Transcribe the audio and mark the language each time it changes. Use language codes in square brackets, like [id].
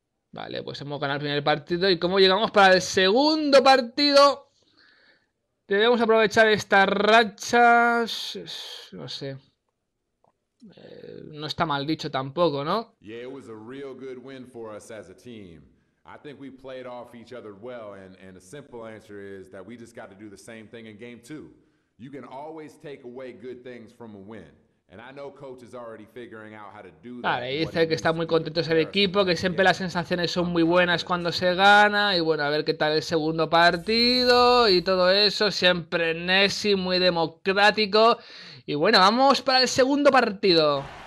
[es] Vale, pues hemos ganado el primer partido. ¿Y cómo llegamos para el segundo partido? Debemos aprovechar estas rachas... No sé... no está mal dicho tampoco, ¿no? [en] Yeah, it was a real good win for us as a team. I think we played off each other well, and a simple answer is that we just got to do the same thing in game two. You can always take away good things from a win. And I know coach is already figuring out how to do that. [es] Vale, dice que está muy contento ese equipo, que siempre las sensaciones son muy buenas cuando se gana. Y bueno, a ver qué tal el segundo partido y todo eso. Siempre Nessi, muy democrático. Y bueno, vamos para el segundo partido.